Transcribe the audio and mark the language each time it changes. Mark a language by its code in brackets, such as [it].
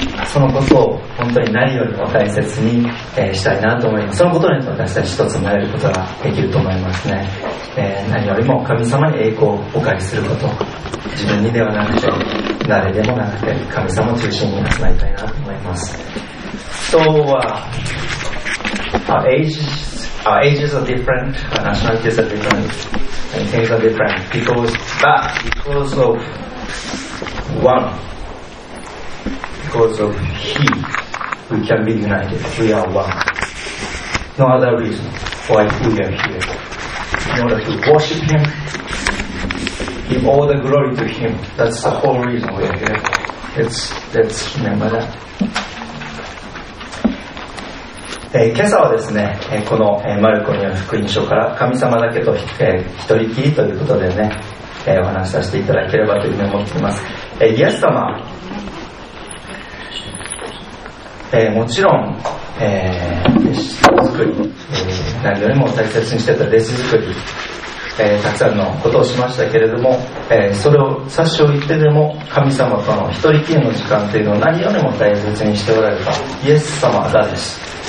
[ja] そのことを本当に何よりも大切にしたいなと思います。そのことによって私たち一つになれることができると思いますね。何よりも神様に栄光をお借りすること、自分にではなくて誰でもなくて神様を中心に集まりたいなと思います。今日は [en] Our ages are different, our nationalities are different, and things are different because of one, because of he, we can be united, we are one. No other reason why we are here. In order to worship him, give all the glory to him, that's the whole reason we are here. Let's remember that. [ja] 今朝はですね、このマルコによる福音書から神様だけと一人きりということでね、お話しさせていただければというふうに思っています。イエス様、もちろん弟子作り、何よりも大切にしていた弟子作り、たくさんのことをしましたけれども、それを差し置いてでも神様との一人きりの時間というのを何よりも大切にしておられたイエス様だです。